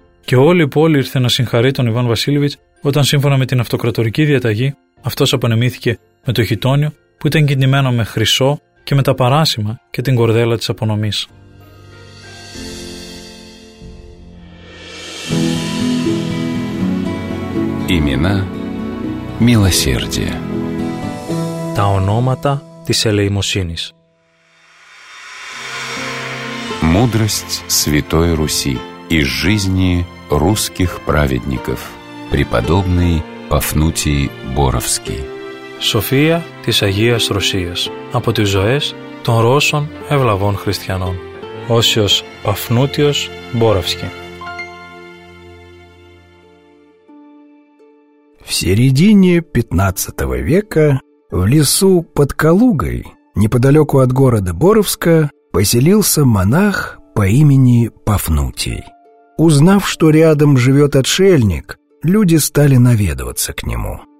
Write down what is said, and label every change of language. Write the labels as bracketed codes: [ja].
[el] Και όλη η πόλη ήρθε να συγχαρεί τον Ιβάν Βασίλειβιτς όταν, σύμφωνα με την αυτοκρατορική διαταγή, αυτός απονεμήθηκε με το χιτόνιο που ήταν κινημένο με χρυσό και με τα παράσημα και την κορδέλα της απονομής. [ru] Имена милосердия. [el] Τα ονόματα της ελεημοσύνης. [ru] Мудрость Святой Руси из жизни русских праведников. Преподобный Пафнутий Боровский. [el] Σοφία της Αγίας Ρωσίας από τις ζωές των Ρώσων ευλαβών χριστιανών. Όσιος Παφνούτιος Μπόραυσκι. [ru] В середине 15 века в лесу под Калугой, неподалеку от города Боровска, поселился монах по имени Пафнутий. Узнав, что рядом живет отшельник, люди стали наведываться к нему.